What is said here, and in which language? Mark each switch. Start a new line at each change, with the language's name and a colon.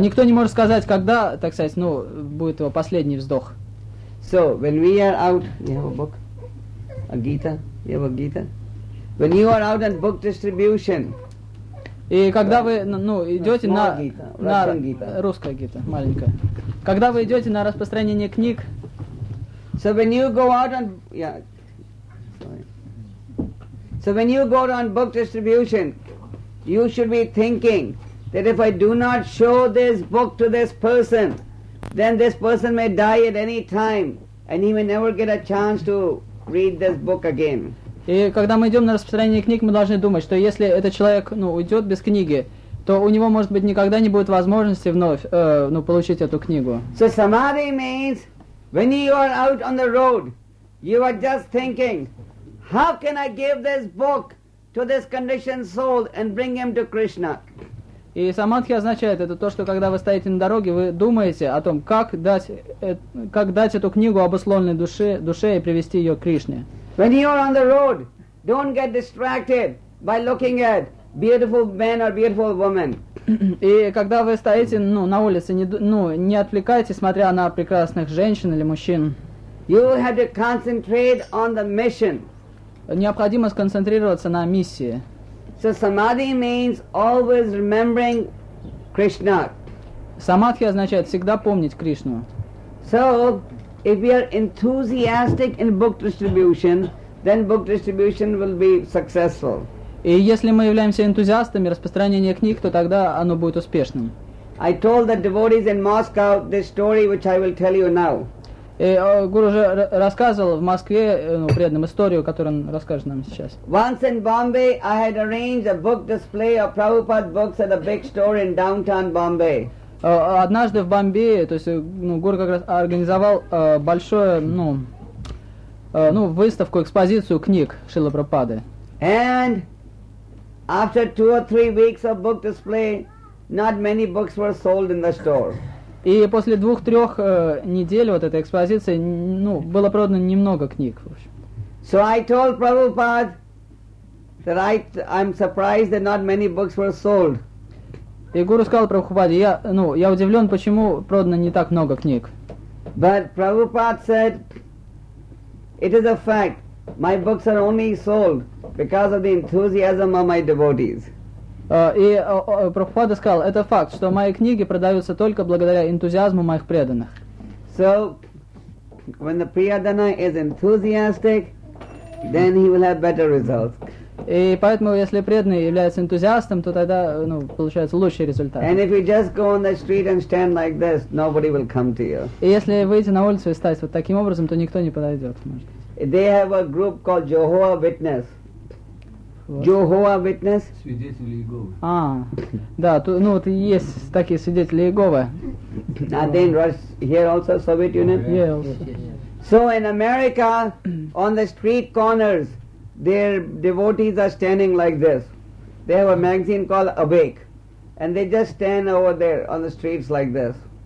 Russian: Никто не может сказать, когда, так сказать, ну, будет его последний вздох.
English: So, when we are out, you have a book? A Gita? You have a Gita? When you are out on book distribution.
Russian: И когда вы, ну, идете на... Русская Гита, маленькая. Когда вы идете на распространение книг...
English: So, when you go out on... Yeah. So when you go on book distribution, you should be thinking that if I do not show this book to this person, then this person may die at any time and he may never get a chance to read this book again.
Russian: И когда мы идем на распространение книг, мы должны думать, что если этот человек, ну, уйдет без книги, то у него, может быть, никогда не будет возможности вновь, ну, получить эту книгу.
English: So samadhi means when you are out on the road, you are just thinking, how can I give this book to this conditioned soul and bring him to Krishna?
Russian: И самадхи означает это то, что когда вы стоите на дороге, вы думаете о том, как дать эту книгу обусловленной душе и привести ее к Кришне.
English: When you are on the road, don't get distracted by looking at beautiful men or beautiful women.
Russian: И когда вы стоите, ну, на улице, не отвлекайтесь, смотря на прекрасных женщин или мужчин.
English: You have to concentrate on the mission.
Russian: Необходимо сконцентрироваться на миссии.
English: So samadhi means always remembering Krishna.
Russian: Самадхи означает всегда помнить Кришну.
English: So if we are enthusiastic in book distribution, then book distribution will be successful.
Russian: И если мы являемся энтузиастами распространения книг, то тогда оно будет успешным.
English: I told the devotees in Moscow this story, which I will tell you now.
Russian: И гуру уже рассказывал в Москве, ну, преданным историю, которую он расскажет нам сейчас.
English: Once in Bombay, I had arranged a book display of Prabhupada books at a big store in downtown Bombay.
Russian: Однажды в Бомбее, то есть, ну, Гуру как раз организовал большую, ну, ну, выставку, экспозицию книг Шрилы Прабхупады.
English: And after two or three weeks of book display, not many books were sold in the store.
Russian: И после двух-трех недель вот этой экспозиции, ну, было продано немного книг, в общем.
English: So I told Prabhupada that I'm surprised that not many books were sold.
Russian: И гуру сказал Прабхупаде, я удивлен, почему продано не так много книг.
English: But Prabhupada said, it is a fact, my books are only sold because of the enthusiasm of my devotees.
Russian: И Прабхупада сказал, это факт, что мои книги продаются только благодаря энтузиазму моих преданных.
English: So, when the Priyadana is enthusiastic, then he will have better results.
Russian: И поэтому, если преданный является энтузиастом, то тогда, ну, получается лучший результат.
English: And if you just go on the street and stand like this, nobody will come to you.
Russian: И если выйти на улицу и стать вот таким образом, то никто не подойдет, может быть.
English: They have a group called Jehovah Witness. Jehovah Witness.
Russian: Свидетели Иеговы. А, да, тут, ну, вот есть такие свидетели Иеговы.
English: And then here also Soviet Union. Yes. Yes, yes. So in America, on the street corners, their devotees are standing like this. They have a magazine called Awake, and they just stand over there on the streets like this.